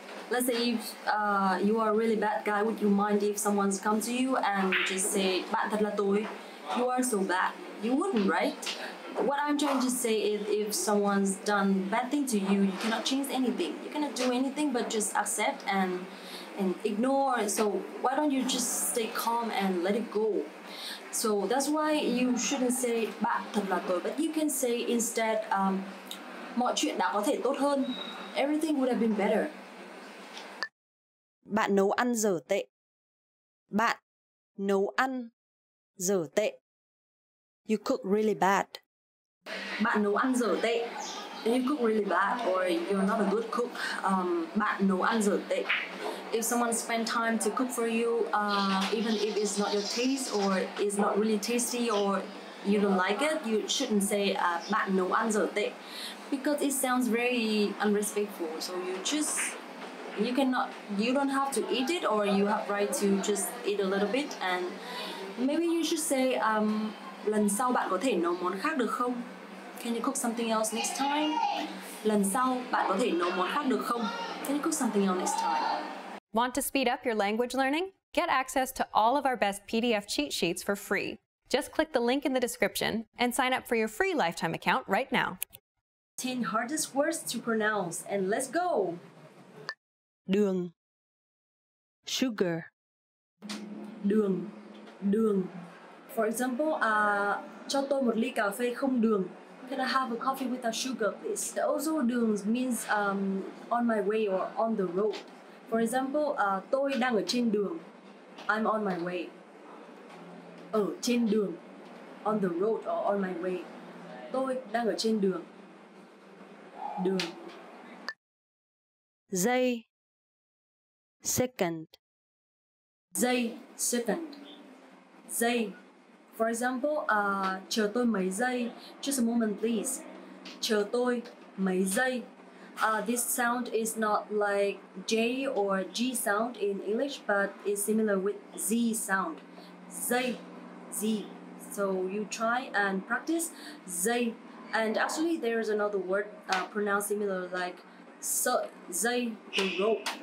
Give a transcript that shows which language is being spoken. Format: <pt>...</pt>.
<en>Let's say if you are a really bad guy, would you mind if someone's come to you and just say,</en> <vi>bạn thật là tồi.</vi> <en>You are so bad. You wouldn't, right? What I'm trying to say is if someone's done bad thing to you, you cannot change anything. You cannot do anything but just accept and ignore. So why don't you just stay calm and let it go? So that's why you shouldn't say</en> <vi>bạn thật là tồi,</vi> <en>but you can say instead</en> <vi>mọi chuyện đã có thể tốt hơn.</vi> <en>Everything would have been better.</en> <vi>Bạn nấu ăn dở tệ. Bạn nấu ăn dở tệ.</vi> <en>You cook really bad.</en> <vi>Bạn nấu ăn dở tệ.</vi> <en>You cook really bad, or you're not a good cook.</en> <vi>Bạn nấu ăn dở tệ.</vi> <en>If someone spend time to cook for you, even if it's not your taste or it's not really tasty or you don't like it, you shouldn't say</en> <vi>bạn nấu ăn dở tệ,</vi> <en>because it sounds very unrespectful. So you just, you cannot, you don't have to eat it, or you have right to just eat a little bit. And maybe you should say</en> <vi>lần sau bạn có thể nấu món khác được không?</vi> <en>Can you cook something else next time?</en> <vi>Lần sau bạn có thể nấu món khác được không? Can you cook something else next time?</vi> <en>Want to speed up your language learning? Get access to all of our best PDF cheat sheets for free. Just click the link in the description and sign up for your free lifetime account right now. 10 hardest words to pronounce, and let's go!</en> <vi>Đường, sugar, đường, đường.</vi> <en>For example,</en> <vi>cho tôi một ly cà phê không đường.</vi> <en>Can I have a coffee without sugar, please? Also, đường means on my way or on the road. For example,</en> <vi>tôi đang ở trên đường.</vi> <en>I'm on my way.</en> <vi>Ở trên đường.</vi> <en>On the road or on my way.</en> <vi>Tôi đang ở trên đường.</vi> <en>Đường.</en> <vi>Giây. Second. Giây. Second. Giây.</vi> <en>For example,</en> <vi>chờ tôi mấy giây.</vi> <en>Just a moment, please.</en> <vi>Chờ tôi mấy giây.</vi> <en>This sound is not like J or G sound in English, but is similar with Z sound. Giây. Z. So you try and practice giây. And actually, there is another word pronounced similar, like sợi dây, the rope.</en>